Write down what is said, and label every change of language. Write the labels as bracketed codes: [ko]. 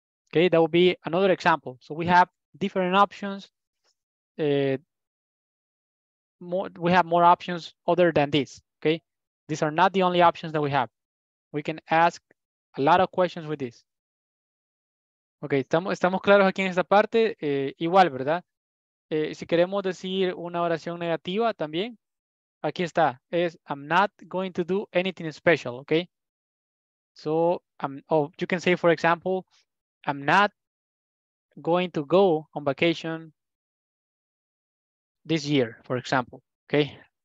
[en] Okay, that would be another example. So we have different options. We have more options other than this, okay? These are not the only options that we have. We can ask a lot of questions with this. [es] Okay, estamos claros aquí en esta parte. Igual, ¿verdad? Si queremos decir una oración negativa también, aquí está. [en] Es, I'm not going to do anything special, okay? So, you can say, for example, I'm not going to go on vacation this year, for example, okay?